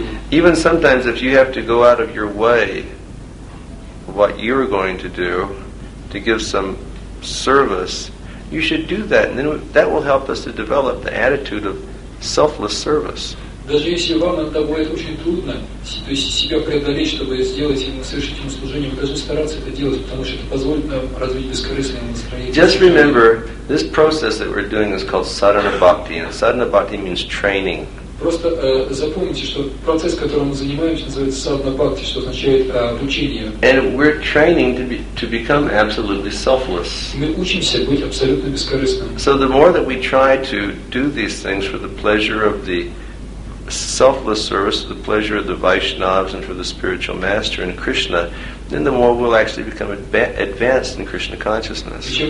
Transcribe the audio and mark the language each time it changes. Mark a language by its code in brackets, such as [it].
[en] Even sometimes if you have to go out of your way, what you're going to do to give some service, you should do that, and then that will help us to develop the attitude of selfless service. [ru] Даже если вам от того это очень трудно, то есть себя преодолеть, чтобы сделать ему, совершить ему служение, вы должны стараться это делать, потому что это позволит нам развить бескорыстное настроение. [en] Just remember, this process that we're doing is called sadhana bhakti, and sadhana bhakti means training. [ru] Просто запомните, что процесс, которым мы занимаемся, называется sadhana bhakti, что означает обучение. [en] And we're training to become absolutely selfless. [ru] Мы учимся быть абсолютно бескорыстным. [en] So the more that we try to do these things for the pleasure of the selfless service, the pleasure of the Vaishnavas and for the spiritual master and Krishna, then the more we'll actually become advanced in Krishna consciousness.